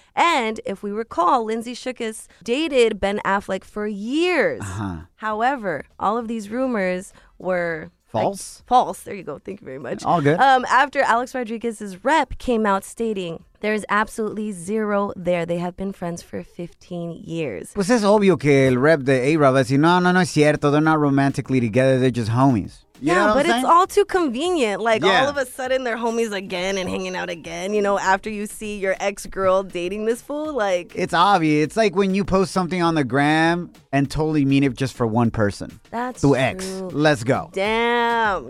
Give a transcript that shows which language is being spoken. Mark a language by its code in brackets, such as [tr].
[en] And if we recall, Lindsay Shookus dated Ben Affleck for years. Uh-huh. However, all of these rumors were false. Like, false. There you go. Thank you very much. All good. After Alex Rodriguez's rep came out stating, there is absolutely zero there. They have been friends for 15 years. [es] Pues es obvio que el rep de A-Rod va a decir, no, es cierto. [en] They're not romantically together. They're just homies. It's all too convenient. Like, all of a sudden, they're homies again and hanging out again, you know, after you see your ex-girl dating this fool. Like, it's obvious. It's like when you post something on the gram and totally mean it just for one person. That's true. Ex. Let's go. Damn.